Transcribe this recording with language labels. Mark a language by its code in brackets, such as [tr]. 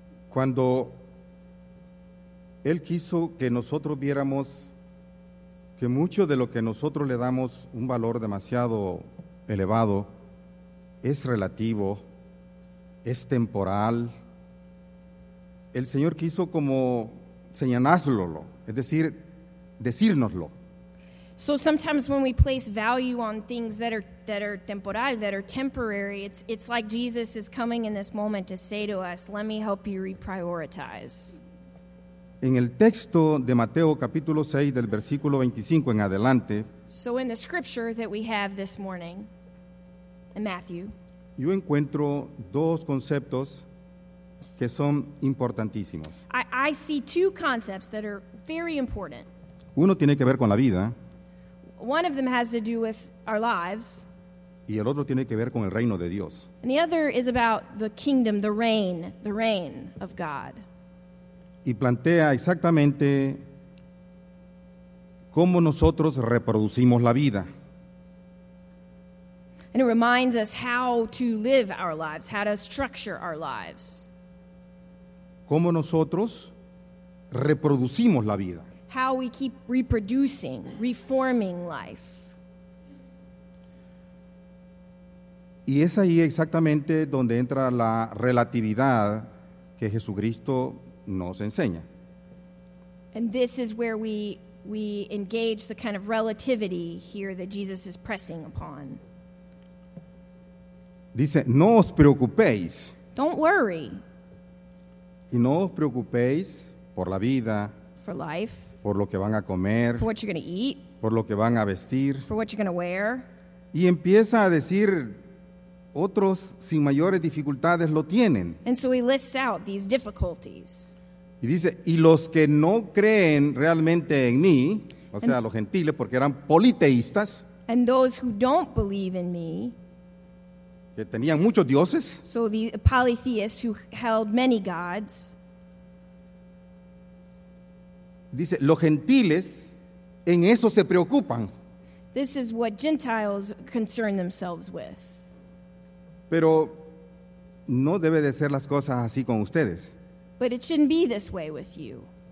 [es] Cuando él quiso que nosotros viéramos que mucho de lo que nosotros le damos un valor demasiado elevado es relativo, es temporal, el Señor quiso como señalárselo, es decir, decírnoslo. [en] So sometimes when we place value on things that are temporal, that are temporary, it's like Jesus is coming in this moment to say to us, let me help you reprioritize. [es] En el texto de Mateo capítulo 6 del versículo 25 en adelante. [en] So in the scripture that we have this morning, in Matthew. [es] Yo encuentro dos conceptos que son importantísimos. [en] I see two concepts that are very important. [es] Uno tiene que ver con la vida. [en] One of them has to do with our lives. [es] y el otro tiene que ver con el reino de Dios. [en] And the other is about the kingdom, the reign of God. [es] Y plantea exactamente cómo nosotros reproducimos la vida. [en] And it reminds us how to live our lives, how to structure our lives. [es] Cómo nosotros reproducimos la vida. [en] How we keep reproducing, reforming life. [es] Y es ahí exactamente donde entra la relatividad que Jesucristo nos enseña. [en] And this is where we engage the kind of relativity here that Jesus is pressing upon. [es] Dice, no os preocupéis. [en] Don't worry. [es] Y no os preocupéis por la vida. [en] For life. [es] Por lo que van a comer. [en] For what you're going to eat. [es] Por lo que van a vestir. [en] For what you're going to wear. [es] Y empieza a decir, otros sin mayores dificultades lo tienen. [en] And so he lists out these difficulties. [es] Y dice, y los que no creen realmente en mí, o sea, los gentiles, porque eran politeístas. [en] And those who don't believe in me. [es] Que tenían muchos dioses. [en] So the polytheists who held many gods. [es] Dice, los gentiles en eso se preocupan. [en] This is what Gentiles concern themselves with. [es] Pero no debe de ser las cosas así con ustedes. [en] But it shouldn't be this way with you.